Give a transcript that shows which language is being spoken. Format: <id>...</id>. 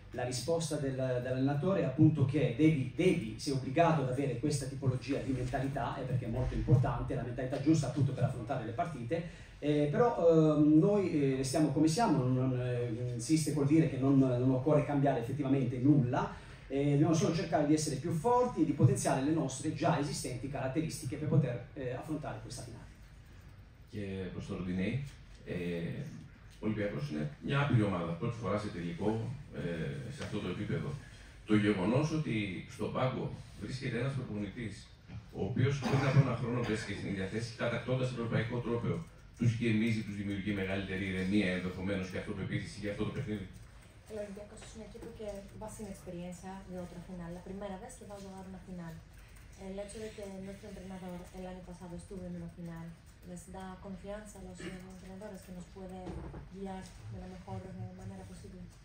<it>la risposta dell'allenatore è appunto che devi sei obbligato ad avere questa tipologia di mentalità, è perché è molto importante, la mentalità giusta appunto per affrontare le partite. Però noi stiamo come siamo, insiste col dire che non occorre cambiare effettivamente nulla, dobbiamo solo cercare di essere più forti e di potenziare le nostre già esistenti caratteristiche per poter affrontare questa finale.</it> <el>Και προς το Ροντινέι, ο Ολυμπιακός είναι μια άπειρη ομάδα, πρώτη φορά σε τελικό σε αυτό το επίπεδο. Το γεγονός ότι στον πάγκο βρίσκεται ένας προπονητής, ο οποίος πριν από ένα χρόνο βρίσκεται στην ίδια θέση, κατακτώντας ευρωπαϊκό τρόπαιο, τους γεμίζει, τους δημιουργεί μεγαλύτερη ηρεμία ενδεχομένως και αυτοπεποίθηση για αυτό το παιχνίδι.</el> <es>El Olympiacos es un equipo que va sin experiencia de otra final, la primera vez que va a jugar una final. El hecho de que nuestro entrenador el año pasado estuvo en una final les da confianza a los entrenadores que nos puede guiar de la mejor manera posible.</es>